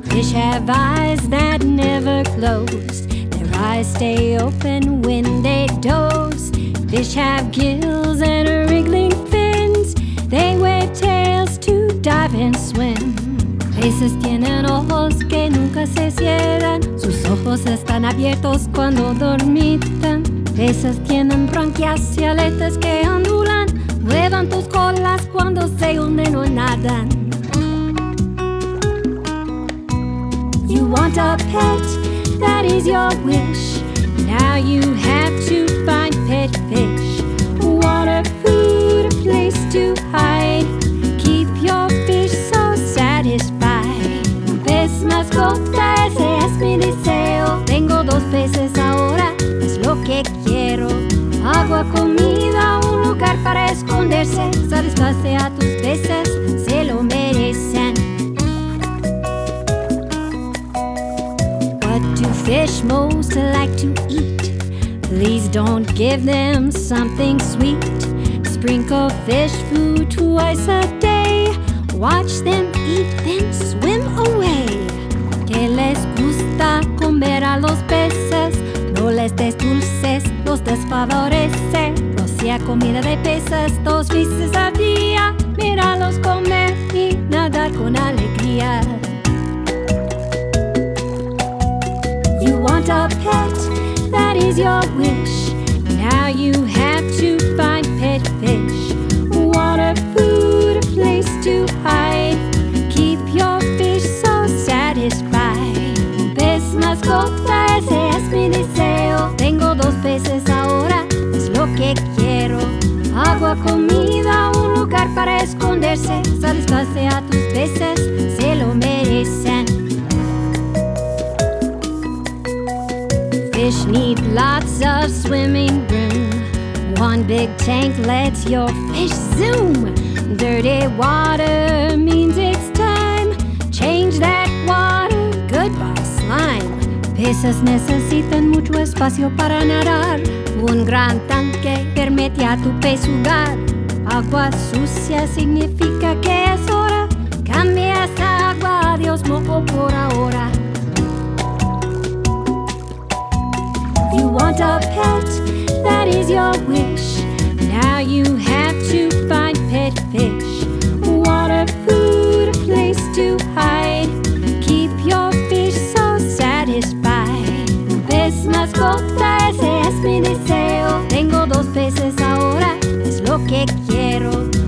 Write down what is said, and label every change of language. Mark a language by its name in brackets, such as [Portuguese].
[English] each have eyes that never close. Their eyes stay open when they doze. Fish have gills and wriggling fins. They wave tails to dive and swim. [Spanish] Peces tienen ojos que nunca se cierran. Sus ojos están abiertos cuando dormitan. Peces tienen branquias y aletas que ondulan. Muevan tus colas cuando se hunden o nadan. [English] You want a pet, that is your wish. Now you have to find pet fish. Water, food, a place to hide. Keep your fish so satisfied. [Spanish] Pez mascota, ese es mi deseo. Tengo dos peces ahora, es lo que quiero. Agua, comida, un lugar para esconderse. Satisface a tus peces, se lo merecen. [English] What do fish most like to eat? Please don't give them something sweet. Sprinkle fish food twice a day. Watch them eat, then swim away. [Spanish] ¿Qué les gusta comer a los peces? No les des dulces, los desfavorece. Rocía comida de peces dos veces al día. Míralos comer y nadar con alegría. [English] You want a pet, that is your wish. Now you have to find pet fish. Water, food, a place to hide. Keep your fish so satisfied. [Spanish] Pez mascota, ese es mi deseo. Tengo dos peces ahora, es lo que quiero. Agua, comida, un lugar para esconderse. Satisface a tus peces, se lo merecen. [English] Fish need lots of swimming room. One big tank lets your fish zoom. Dirty water means it's time. Change that water, goodbye slime. [Spanish] Peces necesitan mucho espacio para nadar. Un gran tanque permite a tu pez jugar. Agua sucia significa que es hora. Cambia esa agua, adiós mojo por ahora. [English] You want a pet, that is your wish. Now you have to find pet fish. Water, food, a place to hide. Keep your fish so satisfied. [Spanish] Pez mascota, ese es mi deseo. Tengo dos peces ahora, es lo que quiero.